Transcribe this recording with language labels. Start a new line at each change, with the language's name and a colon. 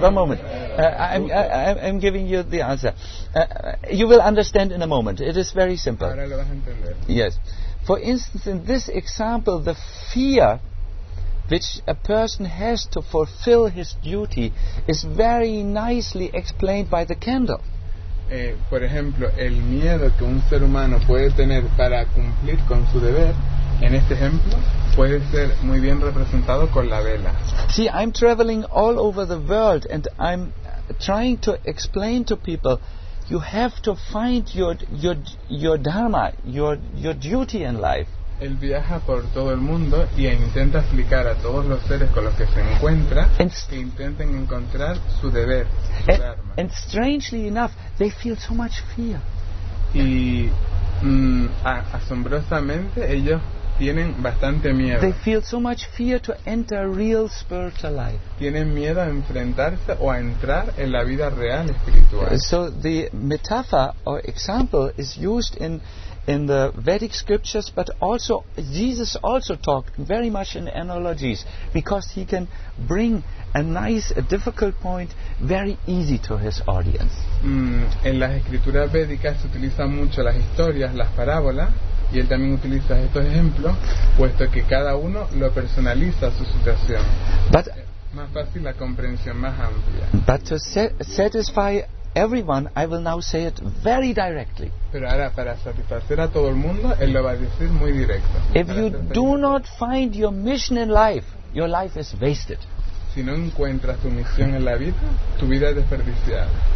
English: I'm giving you the answer. You will understand in a moment. It is very simple.
Spanish: Ahora lo vas a entender.
English: Yes. For instance, in this example, the fear which a person has to fulfill his duty is very nicely explained by the candle.
Spanish: Por ejemplo, el miedo que un ser humano puede tener para cumplir con su deber, en este ejemplo, puede ser muy bien representado con la vela.
English: See, I'm traveling all over the world and I'm trying to explain to people, you have to find your dharma, your duty in life.
Spanish: Él viaja por todo el mundo y intenta explicar a todos los seres con los que se encuentra que intenten encontrar su deber, su dharma.
English: And strangely enough, they feel so much fear.
Spanish: Y asombrosamente, ellos tienen bastante miedo.
English: They feel so much fear to enter real spiritual life.
Spanish: Tienen miedo a enfrentarse o a entrar en la vida real espiritual.
English: So the metaphor or example is used in the Vedic scriptures, but also Jesus also talked very much in analogies, because he can bring a difficult point very easy to his audience.
Spanish: En las escrituras védicas se utilizan mucho las historias, las parábolas, y él también utiliza estos ejemplos, puesto que cada uno lo personaliza su situación.
English: But,
Spanish: más fácil la comprensión, más amplia.
English: But to satisfy everyone, I will now say it very directly.
Spanish: Pero ahora, para satisfacer a todo el mundo, él lo va a decir muy directo.
English: If you do not find your mission in life, your life is wasted.
Spanish: Si no encuentras tu misión en la vida, tu vida es desperdiciada.